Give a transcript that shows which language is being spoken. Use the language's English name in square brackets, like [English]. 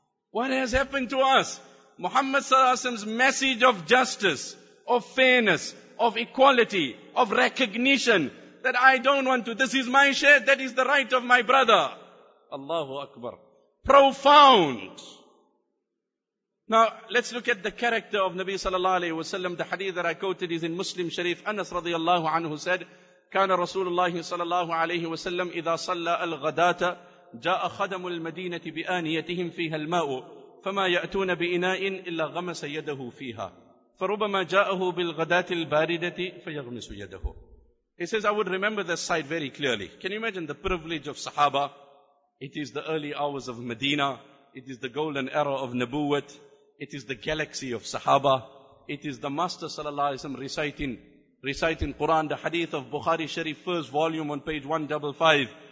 [English] What has happened to us? Muhammad sallallahu alaihi wasallam's message of justice, of fairness, of equality, of recognition, that I don't want to, this is my share, that is the right of my brother. Allahu Akbar. Profound. Now, let's look at the character of Nabi sallallahu alaihi wasallam. The hadith that I quoted is in Muslim Sharif. Anas radiyallahu anhu said, [Arabic] كان رسول الله صلى الله عليه وسلم إذا صلى الغداة جاء خدم المدينة بآنيتهم فيها الماء فما يأتون بإناء إلا غمس يده فيها ف فربما جاءه بالغدات الباردة فيغمس يده. [English] He says, I would remember this sight very clearly. Can you imagine the privilege of Sahaba? It is the early hours of Medina. It is the golden era of Nabuwat. It is the galaxy of Sahaba. It is the Master Sallallahu Alaihi Wasallam reciting Quran, the hadith of Bukhari Sharif, first volume on page 155.